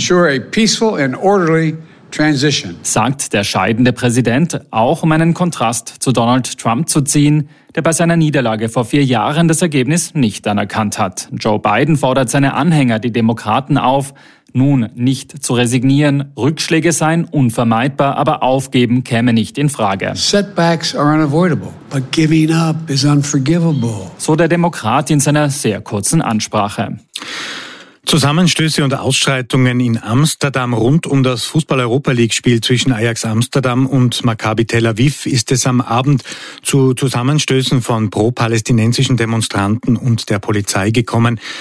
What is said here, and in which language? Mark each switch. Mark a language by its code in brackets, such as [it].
[de] Sagt der scheidende Präsident, auch um einen Kontrast zu Donald Trump zu ziehen, der bei seiner Niederlage vor 4 Jahren das Ergebnis nicht anerkannt hat. Joe Biden fordert seine Anhänger, die Demokraten, auf, nun nicht zu resignieren. Rückschläge seien unvermeidbar, aber aufgeben käme nicht in Frage. [en] Setbacks are unavoidable, but giving up is unforgivable. [de] So der Demokrat in seiner sehr kurzen Ansprache. Zusammenstöße und Ausschreitungen in Amsterdam rund um das Fußball-Europa-League-Spiel zwischen Ajax Amsterdam und Maccabi Tel Aviv ist es am Abend zu Zusammenstößen von pro-palästinensischen Demonstranten und der Polizei gekommen.